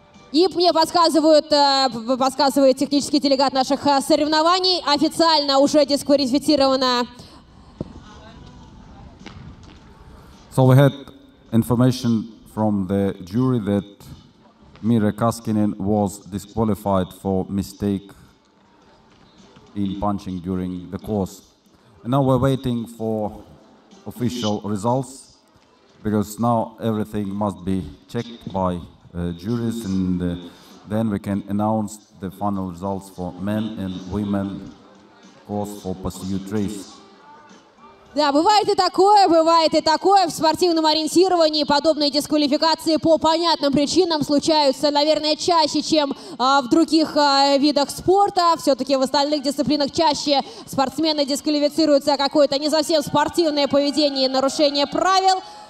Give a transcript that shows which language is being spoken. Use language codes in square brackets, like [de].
[ru] И мне подсказывает технический делегат наших соревнований, официально уже дисквалифицирована. [en] So we had information from the jury that Mira Kaskinen was disqualified for mistake in punching during the course. And now we're waiting for official results, because now everything must be checked by juries, and then we can announce the final results for men and women course for pursuit race. [ru] Да, бывает и такое. В спортивном ориентировании подобные дисквалификации по понятным причинам случаются, наверное, чаще, чем в других видах спорта. Все-таки в остальных дисциплинах чаще спортсмены дисквалифицируются за какое-то не совсем спортивное поведение и нарушение правил.